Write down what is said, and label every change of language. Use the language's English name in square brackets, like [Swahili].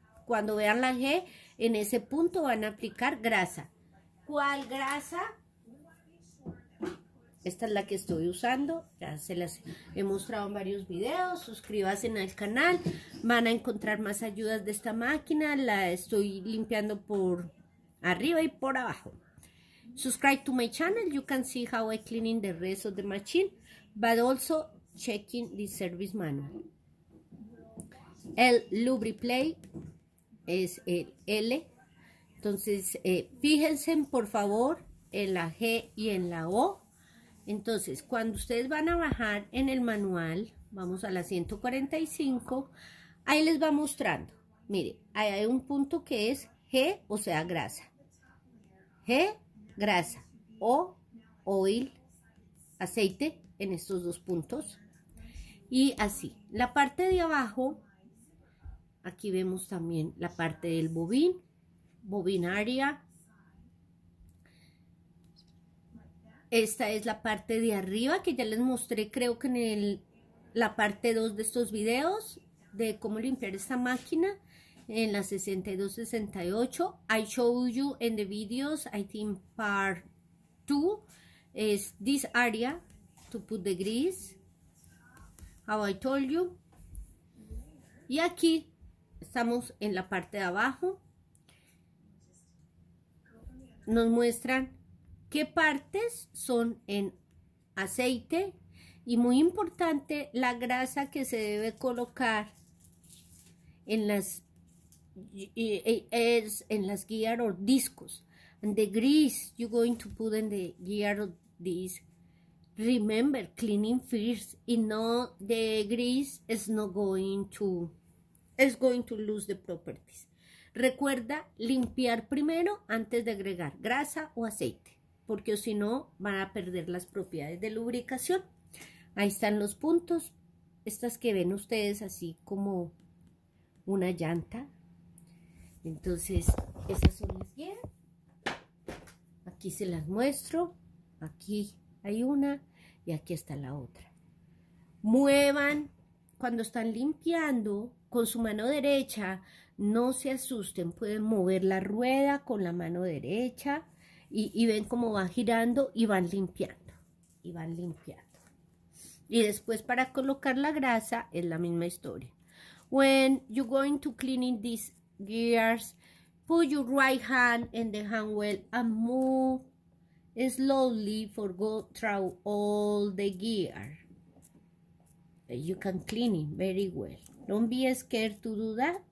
[Spanish] Cuando vean la G, en ese punto van a aplicar grasa. ¿Cuál grasa? Esta es la que estoy usando. Ya se las he mostrado en varios videos. Suscríbanse al canal. Van a encontrar más ayudas de esta máquina. La estoy limpiando por arriba y por abajo. [English] Subscribe to my channel. You can see how I'm cleaning the rest of the machine, but also checking the service manual. [Spanish] El lubriplay es el L. Entonces, fíjense, por favor, en la G y en la O. Entonces, cuando ustedes van a bajar en el manual, vamos a la 145, ahí les va mostrando. Mire, ahí hay un punto que es G, o sea, grasa. G, grasa o oil, aceite, en estos dos puntos. Y así, la parte de abajo, aquí vemos también la parte del bobín, bobín área. Esta es la parte de arriba que ya les mostré, creo que en la parte 2 de estos videos, de cómo limpiar esta máquina. En la 62-68, [English] I show you in the videos, I think part 2, is this area to put the grease, how I told you. [Spanish] Y aquí estamos en la parte de abajo. Nos muestran qué partes son en aceite y muy importante la grasa que se debe colocar en las es en las [English] gear or [Spanish] discos. [English] And the grease you're going to put in the gear or disc. Remember, cleaning first. If not, the grease is not going to, is going to lose the properties. [Spanish] Recuerda limpiar primero antes de agregar grasa o aceite, porque si no, van a perder las propiedades de lubricación. Ahí están los puntos. Estas que ven ustedes así como una llanta. Entonces, esas son las guías. Aquí se las muestro. Aquí hay una y aquí está la otra. Muevan cuando están limpiando con su mano derecha. No se asusten. Pueden mover la rueda con la mano derecha y ven cómo va girando y van limpiando. Y van limpiando. Y después para colocar la grasa es la misma historia. [English] When you're going to cleaning this gears, put your right hand in the handwheel and move slowly for go through all the gear. You can clean it very well. Don't be scared to do that.